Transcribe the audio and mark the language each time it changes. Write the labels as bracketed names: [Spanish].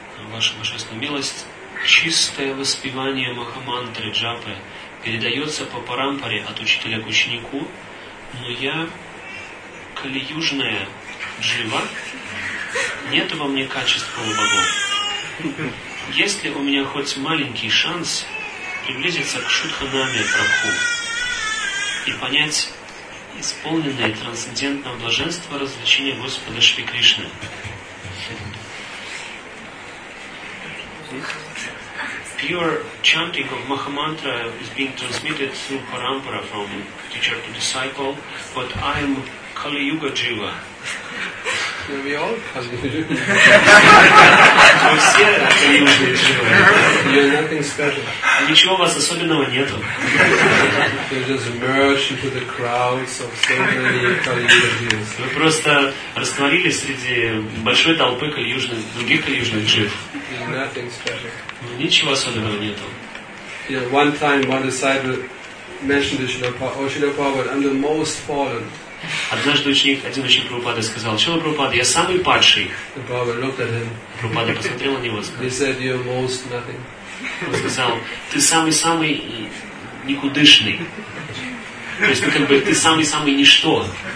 [Russian] Ваша божественная милость, чистое воспевание Махамантры Джапы передается по парампаре от учителя к ученику, но я, калиюжная джива, нет во мне качества у богов. Есть ли у меня хоть маленький шанс приблизиться к Шутханаме Прабху и понять исполненное трансцендентного блаженства развлечения Господа Шри Кришны? [English] Your chanting of Maha Mantra is being transmitted through Parampara from teacher to disciple, but I am Kali Yuga Jiva. We all Kali Yuga Jiva. We're all Kali Yuga Jiva. You're nothing special. [Russian] Ничего у вас особенного нету. [English] You just merge into the crowds of so many Kali Yuga Jivas. [Russian] Вы просто растворились среди большой толпы других Kali Yuga Jiv. [English] Nothing special. [Russian] Ничего особенного нету. [English] Yeah, one time one disciple mentioned to Srila Prabhupada, Srila Prabhupada, I'm the most fallen. [Russian] Однажды один ученик Прабхупады сказал, Шрила Прабхупада, я самый падший. [English] The Prabhupada looked at him. [Russian] Прабхупада посмотрел на него и сказал. [English] He said, you're most nothing. [Russian] Он сказал, ты самый-самый никудышный. То есть, как бы, ты самый-самый ничто.